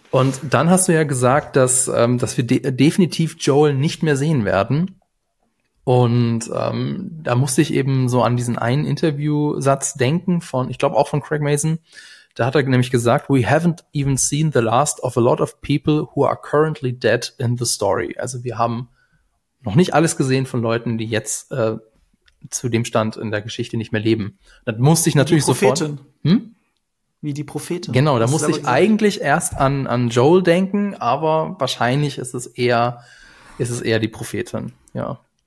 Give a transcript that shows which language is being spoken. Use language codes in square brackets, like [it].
[de] Und dann hast du ja gesagt, dass wir definitiv Joel nicht mehr sehen werden. Und da musste ich eben so an diesen einen Interviewsatz denken von, ich glaube auch von Craig Mazin. [en] Da hat er nämlich gesagt, we haven't even seen the last of a lot of people who are currently dead in the story. [de] Also wir haben noch nicht alles gesehen von Leuten, die jetzt zu dem Stand in der Geschichte nicht mehr leben. Das musste ich natürlich sofort. Wie die Prophetin. Wie die Prophetin. Genau, da musste ich eigentlich erst an Joel denken, aber wahrscheinlich ist es eher die Prophetin, ja.